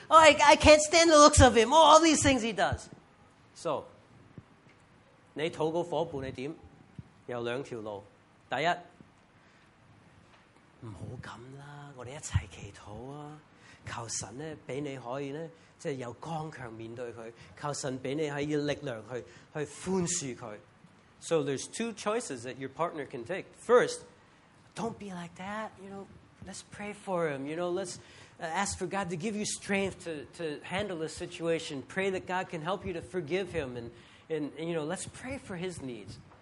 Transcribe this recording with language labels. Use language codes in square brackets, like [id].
[en] Oh, I can't stand the looks of him. Oh, all these things he does. [zh] So, 你禱告夥伴是怎樣? 有兩條路。第一, 不要這樣啦,我們一起祈禱啊。求神呢,讓你可以呢,即是有剛強面對他, 求神讓你可以力量去寬恕他。 [en] So there's two choices that your partner can take. First, don't be like that, you know. Let's pray for him, you know. Let's ask for God to give you strength to handle this situation. Pray that God can help you to forgive him. And you know, let's pray for his needs.